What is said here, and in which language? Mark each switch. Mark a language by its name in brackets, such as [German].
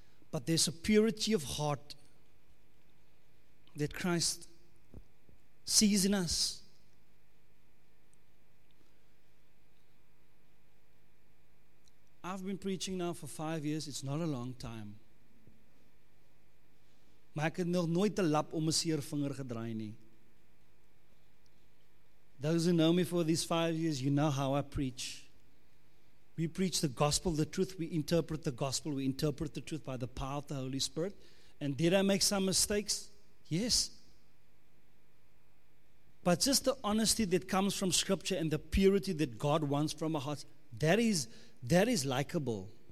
[English] But there's a purity of heart that Christ sees in us. I've been preaching now for 5 years. It's not a long time. [Afrikaans] Maar ek het nog nooit 'n lap om 'n seer vinger gedraai nie. [English] Those who know me for these 5 years, you know how I preach. We preach the gospel, the truth. We interpret the gospel. We interpret the truth by the power of the Holy Spirit. And did I make some mistakes? Yes. But just the honesty that comes from Scripture and the purity that God wants from our hearts, that is likable.